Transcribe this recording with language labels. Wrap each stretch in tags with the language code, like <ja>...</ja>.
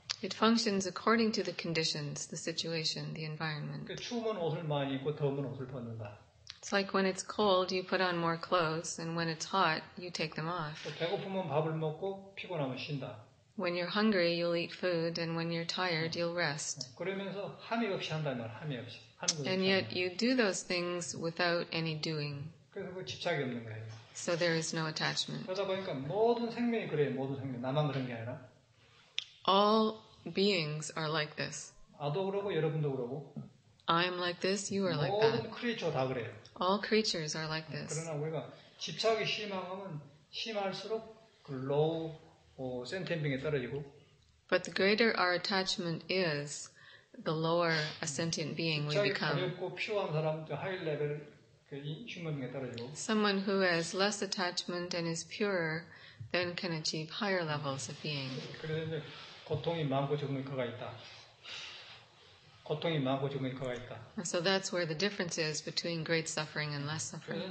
<en>It functions according to the conditions, the situation, the environment.</en> <ko>추우면 옷을 많이 입고 더우면 옷을 벗는다.</ko> <en>It's like when it's cold, you put on more clothes, and when it's hot, you take them off.</en> <ko>배고프면 밥을 먹고 피곤하면 쉰다.</ko> <en>When you're hungry, you'll eat food, and when you're tired, you'll rest.</en> <ko>그러면서 함이 없이 한다 말, 함이 없이.</ko> <en>And yet, you do those things without any doing.</en> <ko>그래서 그 집착이 없는 거예요.</ko> <en>So there is no attachment.</en> <ko>그러다 보니까 모든 생명이 그래요, 모든 생명. 나만 그런 게 아니라.</ko> <en>All beings are like this.</en> <ko>나도 그러고 여러분도 그러고.</ko> <en>I am like this, you are like that.</en> <ko>모든 크리에이처 다 그래요.</ko> <en>All creatures are like this.</en> <ko>그러나 우리가 집착이 심하면 심할수록 그 low, 센텐빙에 떨어지고.</ko> <en>But the greater our attachment is, the lower a sentient being we become.</en> <ko>집착이 가볍고 필요한 사람도 하이 레벨 그 휴먼빙에 떨어지고.</ko> <en>Someone who has less attachment and is purer then can achieve higher levels of being.</en> <ko>그래서 이제 고통이 많고 적은 거가 있다. 고통이 많고 적은 거가 있다.</ko> <en>So that's where the difference is between great suffering and less suffering.</en>